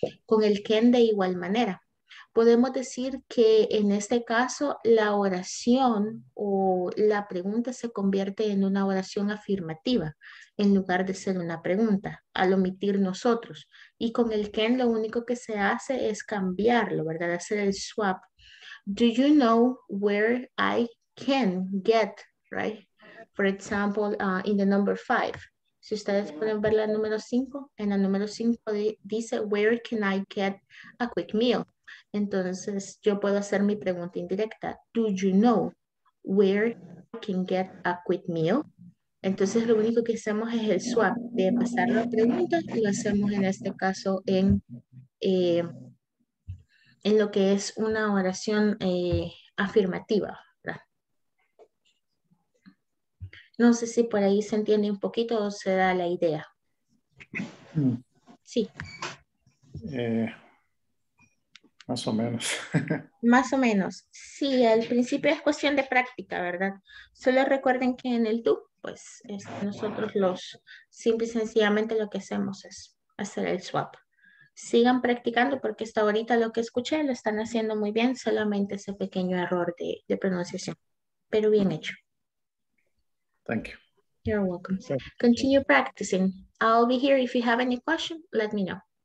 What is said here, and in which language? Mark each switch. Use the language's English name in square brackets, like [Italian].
[Spanish] Con el can de igual manera. Podemos decir que en este caso la oración o la pregunta se convierte en una oración afirmativa en lugar de ser una pregunta al omitir nosotros. Y con el can lo único que se hace es cambiarlo, ¿verdad? Hacer el swap. [English] Do you know where I can get, right? For example, in the number 5. [Spanish] Si ustedes pueden ver la número 5, en la número 5 dice [English] where can I get a quick meal? [Spanish] Entonces, yo puedo hacer mi pregunta indirecta. [English] Do you know where I can get a quick meal? [Spanish] Entonces, lo único que hacemos es el swap de pasar la pregunta y lo hacemos en este caso en lo que es una oración afirmativa. No sé si por ahí se entiende un poquito o se da la idea. Sí. Más o menos. Más o menos. Sí, al principio es cuestión de práctica, ¿verdad? Solo recuerden que en el do, pues nosotros los simple y sencillamente lo que hacemos es hacer el swap. Sigan practicando porque hasta ahorita lo que escuché lo están haciendo muy bien, solamente ese pequeño error de pronunciación, pero bien hecho. [English] Thank you. You're welcome. Continue practicing. I'll be here if you have any question, let me know.